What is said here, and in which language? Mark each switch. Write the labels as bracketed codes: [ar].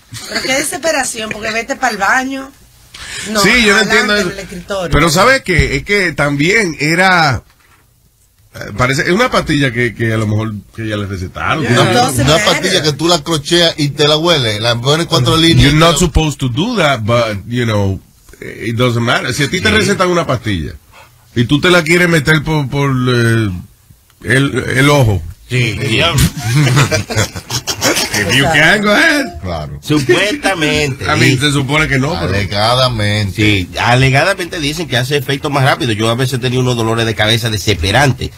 [es] Pero qué desesperación, porque vete para el baño. No, sí, yo no entiendo eso. Pero ¿sabes qué? Es que también era... parece es una pastilla que a lo mejor que ya le recetaron. [en] Yeah. [es] Una pastilla que tú la crocheas y te la hueles. La pones cuatro líneas. [en] You're not supposed to do that, but, you know, it doesn't matter. [es] Si a ti te recetan una pastilla y tú te la quieres meter por el ojo. Sí. [en] If you can, go ahead. [es] Claro. Supuestamente. A mí se supone que no, pero... Alegadamente. Sí, alegadamente dicen que hace efecto más rápido. Yo a veces tenía unos dolores de cabeza desesperantes.